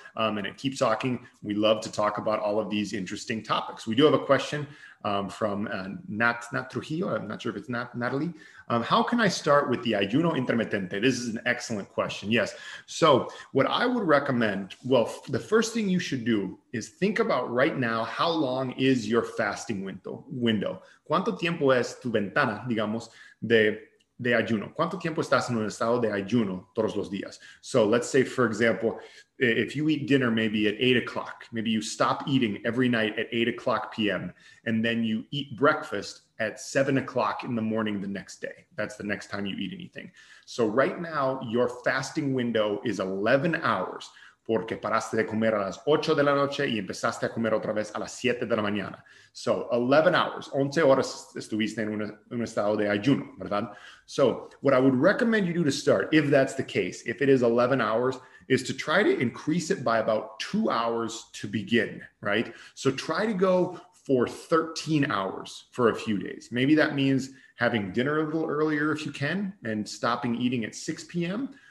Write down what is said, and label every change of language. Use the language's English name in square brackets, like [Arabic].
[English] And it keeps talking. We love to talk about all of these interesting topics. We do have a question from Nat Trujillo. I'm not sure if it's Natalie. How can I start with the ayuno intermitente? This is an excellent question. Yes. So what I would recommend, the first thing you should do is think about right now, how long is your fasting window? [Spanish] ¿Cuánto tiempo es tu ventana, digamos, de ayuno? ¿Cuánto tiempo estás en un estado de ayuno todos los días? [English] So let's say, for example, if you eat dinner maybe at 8 o'clock, maybe you stop eating every night at 8 p.m. and then you eat breakfast at 7 o'clock in the morning the next day. That's the next time you eat anything. So right now your fasting window is 11 hours [Spanish] porque paraste de comer a las 8 de la noche y empezaste a comer otra vez a las 7 de la mañana. [English] So 11 hours, [Spanish] 11 horas estuviste en un estado de ayuno, ¿verdad? [English] So what I would recommend you do to start, if that's the case, if it is 11 hours, is to try to increase it by about 2 hours to begin, right? So try to go for 13 hours for a few days. Maybe that means having dinner a little earlier if you can and stopping eating at 6 p.m.